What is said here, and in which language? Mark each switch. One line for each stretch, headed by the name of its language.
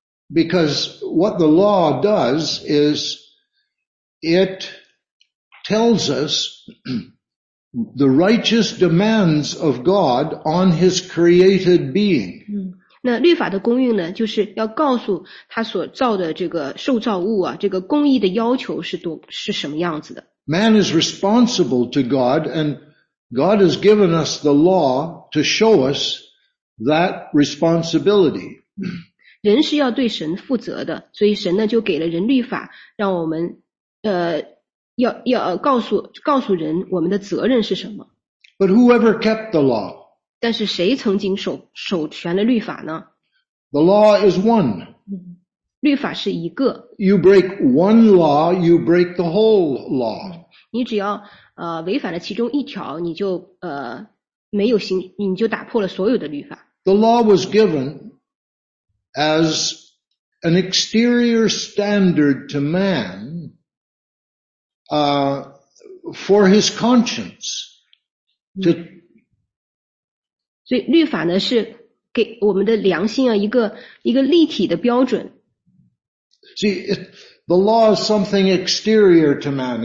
English: Because what the law does is it tells us the righteous demands of God on his created being.
Chinese: 那律法的功用呢，就是要告诉他所造的这个受造物啊，这个公义的要求是什么样子的。
English: Man is responsible to God and God has given us the law to show us that responsibility.
Chinese: 人是要对神负责的，所以神呢就给了人律法，让我们要告诉人我们的责任是什么。
English: But whoever kept the law?
Chinese: 但是谁曾经守全了律法呢？
English: The law is one.
Chinese: 律法是一个。
English: You break one law, you break the whole law.
Chinese: 你只要违反了其中一条，你就没有行，你就打破了所有的律法。
English: The law was given as an exterior standard to man, for his conscience.
Chinese: 所以律法呢是给我们的良心啊一个立体的标准。
English: See, the law is something exterior to man.